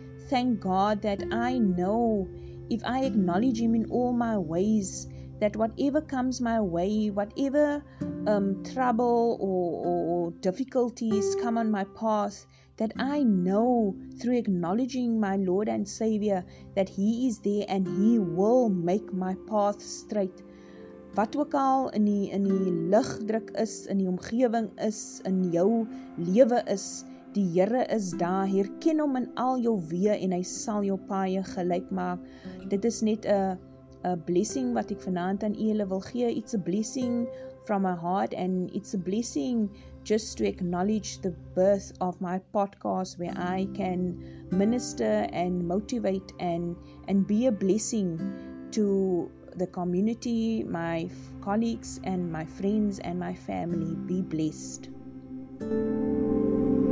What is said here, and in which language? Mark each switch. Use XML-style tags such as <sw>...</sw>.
<en>Thank God that I know if I acknowledge Him in all my ways, that whatever comes my way, whatever trouble or difficulties come on my path, that I know through acknowledging my Lord and Savior that He is there and He will make my path straight.</en> <af>Wat ook al in die ligdruk is, in die omgewing is, in jou lewe is, die Here is daar. Herken Hom in al jou weë en Hy sal jou paaie gelyk maak. Dit is net 'n</af> <en>blessing</en> <af>wat ek vanaand aan julle wil gee.</af> <en>It's a blessing from my heart, and it's a blessing just to acknowledge the birth of my podcast, where I can minister and motivate and be a blessing to the community, my colleagues and my friends and my family. Be blessed.</en>